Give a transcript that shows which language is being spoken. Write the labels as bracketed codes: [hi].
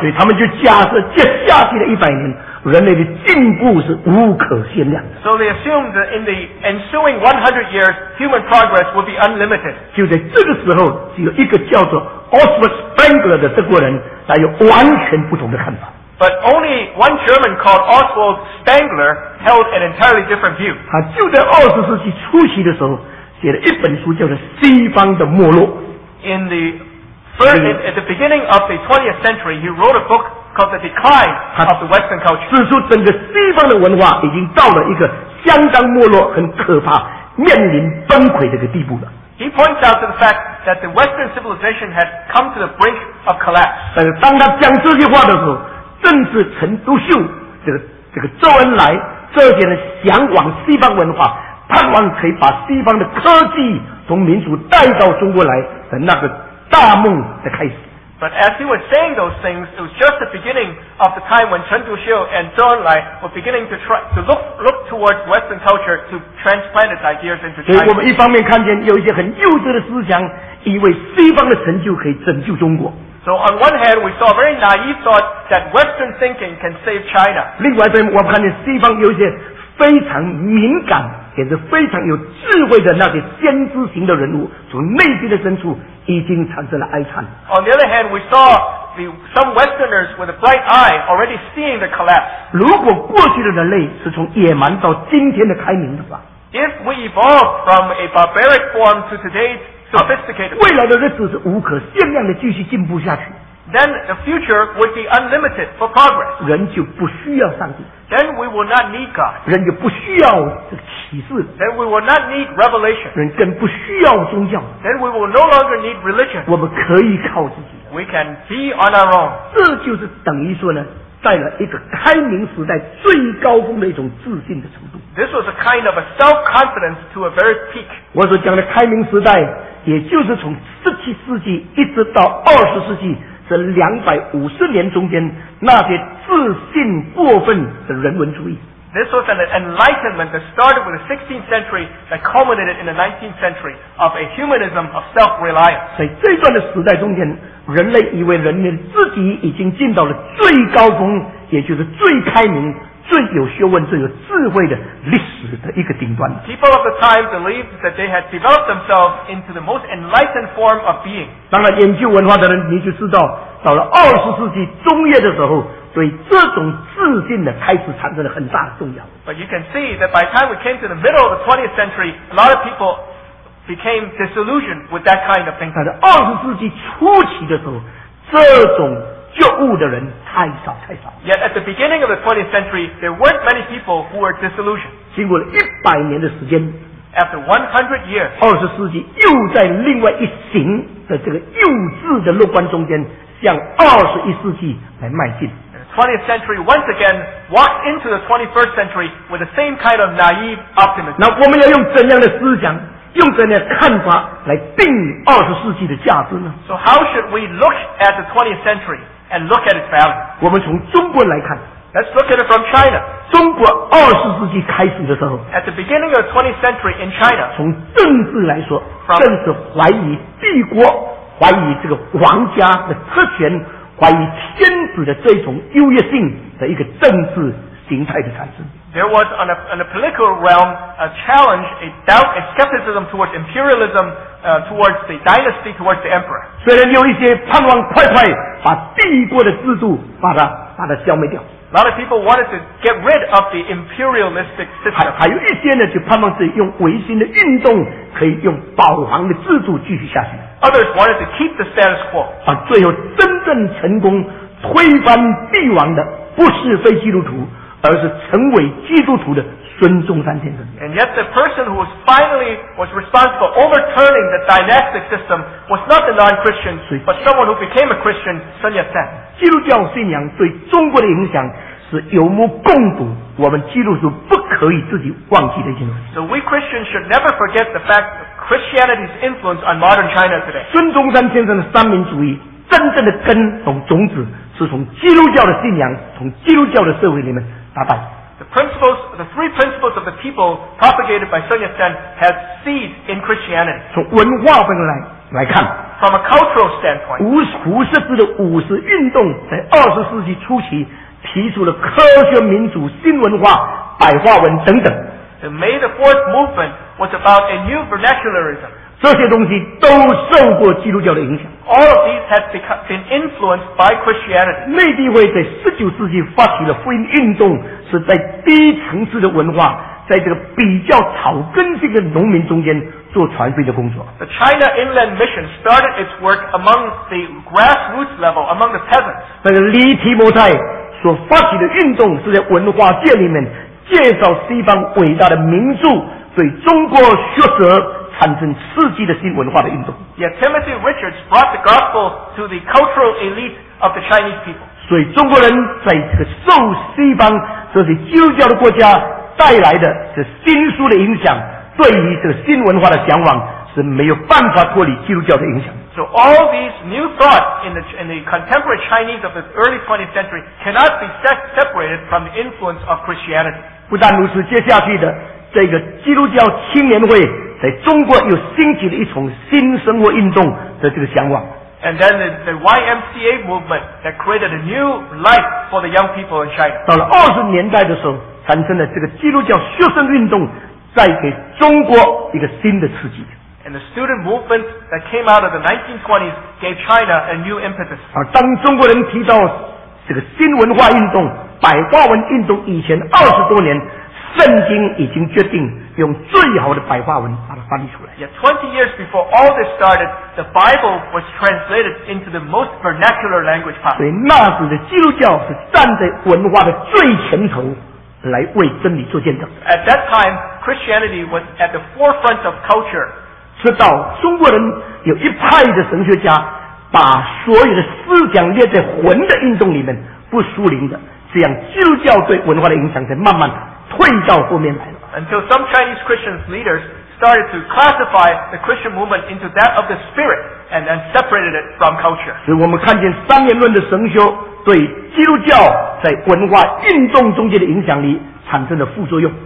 [zh] 所以他们就假设，接下去的100年，人类的进步是无可限量。 [en] So they assumed that in the ensuing 100 years, human progress would be unlimited. [zh] 就在这个时候，只有一个叫做 Oswald Spengler 的德国人，他有完全不同的看法。 [en] But only one German called Oswald Spengler held an entirely different view. [zh] 他就在20世纪初期的时候，写了一本书叫做《西方的没落》。 [en] In the first, at the beginning of the 20th century, he wrote a book. Of the decline of the Western culture. [zh] 指出整个西方的文化已经到了一个相当没落、很可怕、面临崩溃这个地步了。 [en] He points out to the fact that the Western civilization had come to the brink of collapse. [zh] 但是当他讲这些话的时候，正是陈独秀、这个周恩来这些人向往西方文化，盼望可以把西方的科技从民族带到中国来的那个大梦的开始。 [en] But as he was saying those things, it was just the beginning of the time when Chen Duxiu and Zhou Enlai were beginning to try to look towards Western culture to transplant its ideas into China. [zh] 所以我们一方面看见有一些很幼稚的思想，以为西方的成就可以拯救中国。 [en] So on one hand, we saw a very naive thought that Western thinking can save China. [zh] 另外一方面，我们看见西方有一些非常敏感，也是非常有智慧的那些先知型的人物，从内心的深处。已经产生了哀叹。 [en] On the other hand, we saw some Westerners with a bright eye already seeing the collapse. [zh] 如果过去的人类是从野蛮到今天的开明的话， [en] if we evolved from a barbaric form to today's sophisticated, [zh] 未来的日子是无可限量的继续进步下去， [en] then the future would be unlimited for progress. [zh] 人就不需要上帝。 [en] Then we will not need God. [zh] 人就不需要启示。 [en] Then we will not need revelation. [zh] 人更不需要宗教。 [en] Then we will no longer need religion. [zh] 我们可以靠自己。 [en] We can be on our own. [zh] 这就是等于说呢，在了一个开明时代最高峰的一种自信的程度。 [en] This was a kind of a self-confidence to a very peak. [zh] 我所讲的开明时代，也就是从17世纪一直到20世纪这250年中间那些自信过分的人文主义。 [en] This was an enlightenment that started with the 16th century that culminated in the 19th century of a humanism of self-reliance. [zh] 在这段的时代中间，人类以为人类自己已经进到了最高峰，也就是最开明、最有学问、最有智慧的历史的一个顶端。 [en] People of the time believed that they had developed themselves into the most enlightened form of being. [zh] 当然，研究文化的人你就知道，到了20世纪中叶的时候。对这种自信的开始产生了很大的重要。 [en] But you can see that by the time we came to the middle of the 20th century, a lot of people became disillusioned with that kind of thinking. [zh] 但是20世纪初期的时候，这种觉悟的人太少太少。 [en] Yet at the beginning of the 20th century, there weren't many people who were disillusioned. [zh] 经过了100年的时间 [en] ，After 100 years, [zh] 20世纪又在另外一行的这个幼稚的乐观中间，向21世纪来迈进。 [en] 20th century once again walked into the 21st century with the same kind of naive optimism. [zh] 那我们要用怎样的思想，用怎样的看法来定二十世纪的价值呢？ [en] So how should we look at the 20th century and look at its value? [zh] 我们从中国来看。 [en] Let's look at it from China. [zh] 中国二十世纪开始的时候。 [en] At the beginning of the 20th century in China. [zh] 从政治来说，政治怀疑帝国，怀疑这个皇家的特权。怀疑天子的这种优越性的一个政治形态的产生。 [en] There was on a political realm a challenge, a doubt, a skepticism towards imperialism, towards the dynasty, towards the emperor. [zh] 虽然有一些盼望快快把帝国的制度把它消灭掉。 [en] A lot of people wanted to get rid of the imperialistic system. [zh] 还有一些呢，就盼望是用维新的运动可以用保皇的制度继续下去。 [en] Others wanted to keep the status quo. [zh] 啊，最后真正成功推翻帝王的不是非基督徒，而是成为基督徒的孙中山先生。 [en] And yet the person who was finally was responsible for overturning the dynastic system was not the non-Christian, but someone who became a Christian, Sun Yat-sen. [zh] 基督教信仰对中国的影响是有目共睹，我们基督徒不可以自己忘记的一件事。 [en] So we Christians should never forget the fact of Christianity's influence on modern China today. [zh] 孙中山先生的三民主义真正的根和种子是从基督教的信仰，从基督教的社会里面打败。 [en] The three principles of the people propagated by Sun Yat-sen has seed in Christianity. [zh] 从文化方面来看， [en] from a cultural standpoint, [zh] 胡适的五四运动在二十世纪初期提出了科学民主、新文化、白话文等等。 [en] The May the Fourth movement was about a new vernacularism. [zh] 这些东西都受过基督教的影响。 [en] All of these had been influenced by Christianity. [zh] 内地会在19世纪发起了福音运动，是在低层次的文化，在这个比较草根性的农民中间做传福音的工作。 [en] The China Inland Mission started its work among the grassroots level, among the peasants. [zh] 那个黎提摩太所发起的运动是在文化界里面介绍西方伟大的名著，对中国学者产生刺激的新文化的运动。 [en] Yet Timothy Richards brought the gospel to the cultural elite of the Chinese people. [zh] 所以中国人在这个受西方这些基督教的国家带来的这新书的影响，对于这个新文化的向往是没有办法脱离基督教的影响。 [en] So all these new thoughts in the contemporary Chinese of the early 20th century cannot be separated from the influence of Christianity. [zh] 不但如此，接下去的这个基督教青年会在中国又兴起了一种新生活运动的这个向往。 [en] And then the YMCA movement that created a new life for the young people in China. [zh] 到了二十年代的时候，产生了这个基督教学生运动，带给中国一个新的刺激。 [en] And the student movement that came out of the 1920s gave China a new impetus. [zh] 而当中国人提到这个新文化运动、百花文运动以前二十多年，圣经已经决定用最好的白话文把它翻译出来。 [en] Yet 20 years before all this started, the Bible was translated into the most vernacular language possible. [zh] 所以那时的基督教是站在文化的最前头来为真理做见证。 [en] At that time, Christianity was at the forefront of culture. [zh] 直到中国人有一派的神学家把所有的思想列在魂的运动里面，不属灵的，这样基督教对文化的影响才慢慢退到后面来了。 [en] Until some Chinese Christian leaders started to classify the Christian movement into that of the spirit and then separated it from culture. [zh] 所以我们看见三元论的神修对基督教在文化运动中间的影响力产生了副作用。